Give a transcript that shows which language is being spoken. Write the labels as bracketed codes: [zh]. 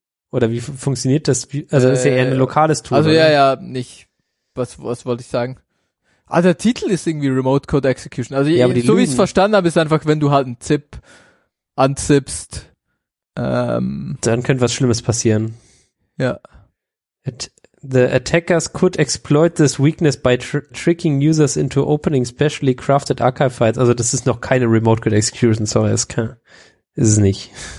[de] Oder wie funktioniert das? Also das ist ja eher ein lokales Tool. Also oder? Ja, nicht. Was wollte ich sagen? Ah, der Titel ist irgendwie Remote Code Execution. Also ja, so wie ich es verstanden habe, ist einfach, wenn du halt einen Zip anzippst. Dann könnte was Schlimmes passieren. Ja. [en] The attackers could exploit this weakness by tricking users into opening specially crafted archive files. [de] Also das ist noch keine Remote Code Execution, sorry, das kann, ist es nicht.